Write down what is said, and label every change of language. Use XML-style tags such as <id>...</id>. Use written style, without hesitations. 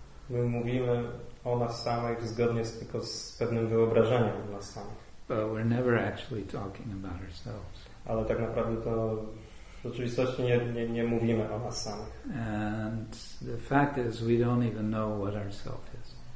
<pl>My mówimy o nas samych zgodnie tylko z pewnym wyobrażeniem o nas samych.</pl> <en>But we're never actually talking about ourselves.</en> <pl>Ale tak naprawdę to rzeczywistości nie mówimy o nas samych.</pl> <en>And the fact is we don't even know what ourself is.</en>